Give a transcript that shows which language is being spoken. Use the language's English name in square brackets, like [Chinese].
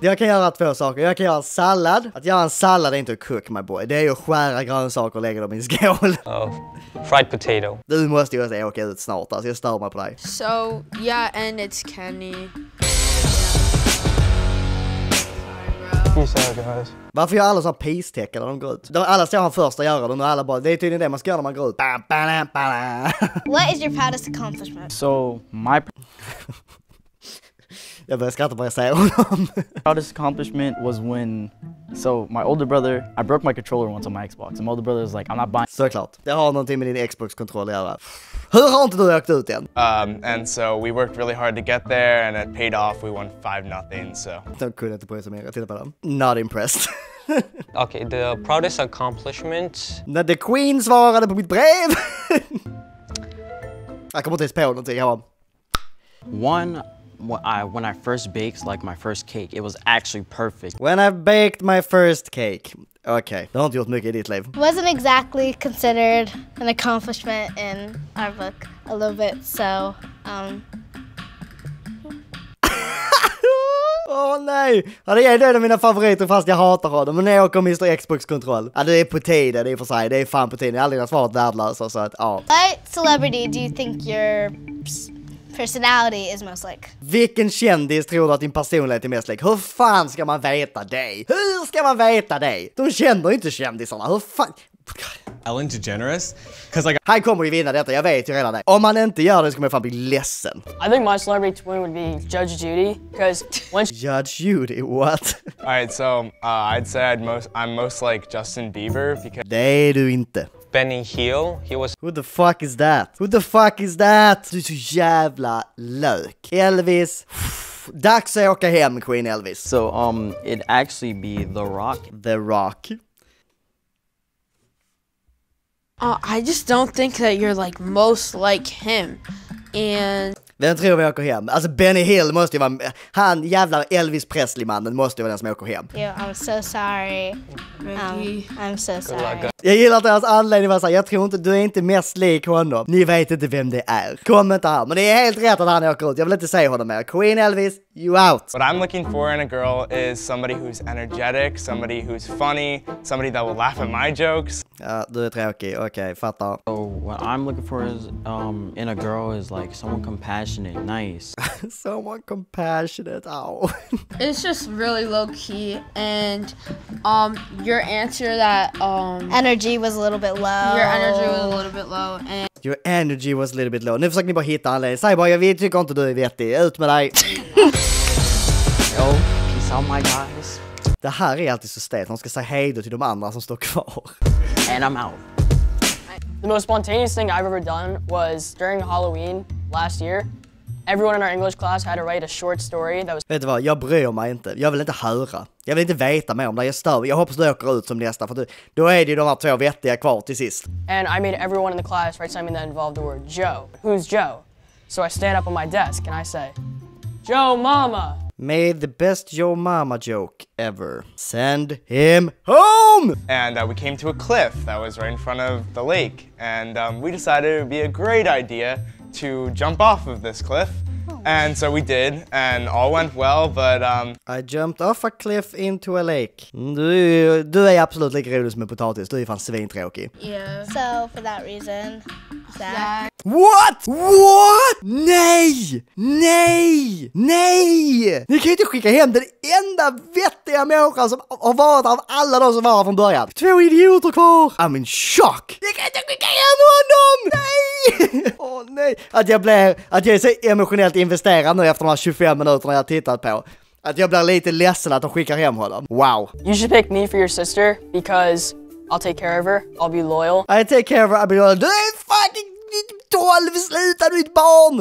[Swedish] Jag kan göra två saker. Jag kan göra sallad. Att göra en sallad är inte att cook, [English] my boy. [Swedish] Det är ju att skära grönsaker och lägga dem i en skål. [English] Fried potato. [Swedish] Du måste ju åka ut snart, alltså jag stör mig på dig. [English] So, yeah, and it's Kenny. Peace out, guys. [Swedish] Varför gör alla så här peace-tecken när de går ut? Alla ser han först att göra det, och alla bara, det är tydligen det man ska göra när man går ut. Bam, bam, bam, bam. [English] What is your proudest accomplishment? So, my... [Swedish] Jag börjar skratta bara jag säger honom. [English] Proudest accomplishment was when... So, my older brother, I broke my controller once on my Xbox. And my older brother was like, I'm not buying... [Swedish] Såklart. Jag har någonting med din Xbox-kontroll att göra. Hur har inte du åkt ut igen? [English] And so, we worked really hard to get there, and it paid off. We won 5-0, so... [Swedish] De kunde inte börja summera. Titta på dem. [English] Not impressed. Okay, the proudest accomplishment... [Swedish] När the queen svarade på mitt brev! Jag kommer inte ens på någonting. Jag bara... [English] One... When I first baked, like, my first cake, it was actually perfect. When I baked my first cake. [Swedish] Okay, det har inte gjort mycket i ditt liv. [English] Wasn't exactly considered an accomplishment in our book a little bit, so, [Swedish] Åh nej! Ja, det är en av mina favoriter fast jag hatar honom. Men när jag kommer Mr. Xbox-kontroll. Ja, det är på tiden, det är för sig. Det är fan på tiden. Jag har aldrig svarat värdelös och så att, ja. [English] What celebrity do you think you're... personality is most like. [Swedish] Vilken kändis tror du att din personlighet är mest lik? Hur fan ska man veta dig? Hur ska man veta dig? De känner inte kändisarna. Hur fan? [English] Ellen DeGeneres, cause like [Swedish] han kommer ju vinna detta, jag vet ju redan det. Om han inte gör det så kommer jag fan bli ledsen. [English] I think my celebrity twin would be Judge Judy, cause when Judge Judy, what? Alright, so I'd say I'm most like Justin Bieber because [Swedish] det är du inte. [English] Benny Hill, he was who the fuck is that? Who the fuck is that? [Swedish] Du är så jävla lök. [English] Elvis. [Swedish] Dags att åka hem, Queen Elvis. [English] So it'd actually be The Rock. The Rock. I just don't think that you're like most like him. And [Swedish] vem tror vi åker hem? Alltså Benny Hill måste ju vara han jävla Elvis Presley mannen måste ju vara den som åker hem. [English] Yeah, I'm so sorry. I'm so sorry. [Swedish] Jag gillar att deras anledning var såhär, jag tror inte, du är inte mest lik honom. Ni vet inte vem det är. Kom inte här, men det är helt rätt att han åker ut. Jag vill inte säga honom mer. [English] Queen Elvis, you out. What I'm looking for in a girl is somebody who's energetic, somebody who's funny, somebody that will laugh at my jokes. [Swedish] Ja, du är tråkig. Okej, fattar. [English] So what I'm looking for is in a girl is like someone compassionate, nice. Someone compassionate, ow. It's just really low key and your answer that energy was a little bit low. Your energy was a little bit low and your energy was a little bit low. [Swedish] Nu försöker ni bara hitta anledning. Säg bara, vi tycker inte du är vettig. Ut med dig. [English] Yo, peace out my guys. [Swedish] Det här är alltid så stelt. Hon ska säga hej då till de andra som står kvar. [English] And I'm out. The most spontaneous thing I've ever done was during Halloween last year. Everyone in our English class had to write a short story that was. [Swedish] Vet du vad, jag bryr mig inte. Jag vill inte höra. Jag vill inte veta mer om det. Jag stör. Jag hoppas du åker ut som nästa, för då är det ju de här två vettiga kvar till sist. [English] And I made everyone in the class write something that involved the word Joe. Who's Joe? So I stand up on my desk and I say, Joe Mama. Made the best Joe Mama joke ever. Send him home! And we came to a cliff that was right in front of the lake. And we decided it would be a great idea to jump off of this cliff. And so we did, and all went well, but I jumped off a cliff into a lake. [Swedish] Du är absolut lika rolig som en potatis. Du är fan svintråkig. [English] Yeah. So, for that reason, Zach. What? What? [Swedish] Nej! Nej! Nej! Ni kan ju inte skicka hem den enda vettiga människan som har varit av alla de som var från början. Två idioter kvar! [English] I'm in shock! [Swedish] Ni kan inte skicka hem honom! Nej! Åh, nej! Att jag är så emotionell investera nu efter de här 25 minuterna jag tittat på. Att jag blir lite ledsen att de skickar hem honom. [English] Wow. You should pick me for your sister because I'll take care of her. I'll be loyal. I take care of her. I'll be loyal. [Swedish] Du är fucking 12, sluta, du är ett barn.